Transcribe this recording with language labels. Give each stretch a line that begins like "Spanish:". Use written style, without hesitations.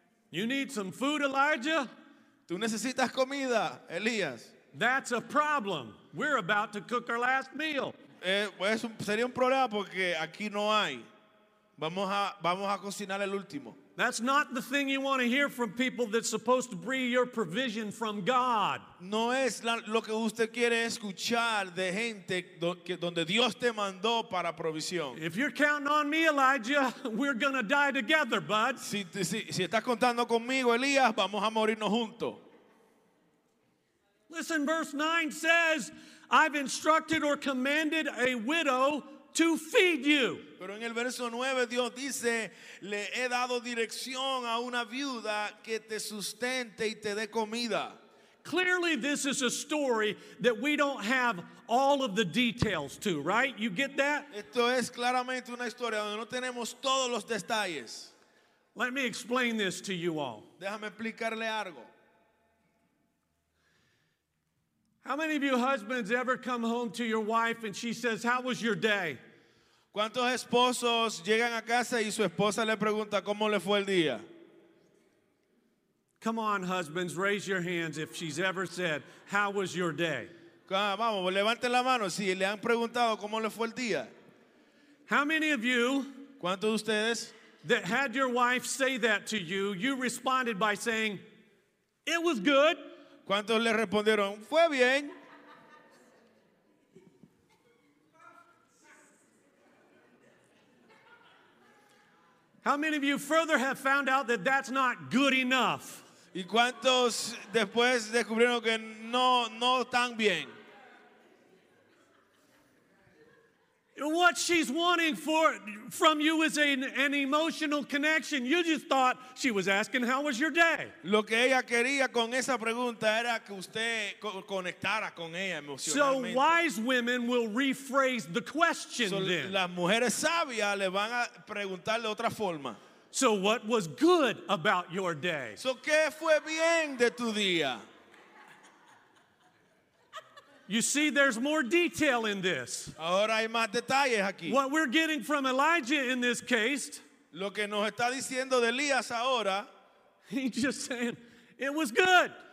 English: You need some food, Elijah?
Spanish: Tú necesitas comida, Elías.
English: That's a problem. We're about to cook our last meal.
Spanish: sería un problema porque aquí no hay. Vamos a cocinar el último.
English: That's not the thing you want to hear from people that's supposed to be your provision from God.
Spanish: No es lo que usted quiere escuchar de gente donde Dios te mandó para provisión.
English: If you're counting on me, Elijah, we're going to die together, bud.
Spanish: Si estás contando conmigo, Elías, vamos a morirnos juntos.
English: Listen, verse 9 says, I've instructed or commanded a widow to feed you.
Spanish: Pero en el verso 9 Dios dice, le he dado dirección a una viuda que te sustente y te dé comida.
English: Clearly this is a story that we don't have all of the details to, right? You get that?
Spanish: Esto es claramente una historia donde no tenemos todos los detalles.
English: Let me explain this to you all.
Spanish: Déjame explicarle algo.
English: How many of you husbands ever come home to your wife and she says, how was your day?
Spanish: ¿Cuántos esposos llegan a casa y su esposa le pregunta cómo le fue el día?
English: Come on, husbands, raise your hands if she's ever said, how was your day?
Spanish: Vamos, levanten la mano si le han preguntado cómo le fue el día.
English: How many of you,
Spanish: ¿cuántos de ustedes,
English: that had your wife say that to you, you responded by saying, it was good?
Spanish: ¿Cuántos le respondieron? Fue bien.
English: How many of you further have found out that that's not good enough?
Spanish: ¿Y cuántos después descubrieron que no tan bien?
English: What she's wanting from you is an emotional connection. You just thought she was asking, how was your day?
Spanish: Lo que ella quería con esa pregunta era que usted conectara con ella emocionalmente.
English: So wise women will rephrase the question then.
Spanish: Las mujeres sabias le van a preguntar de otra forma.
English: So what was good about your day?
Spanish: So qué fue bien de tu día?
English: You see, there's more detail in this.
Spanish: Ahora hay más detalles aquí.
English: What we're getting from Elijah in this case,
Spanish: lo que nos está diciendo de Elías ahora,
English: he's just saying, it was good.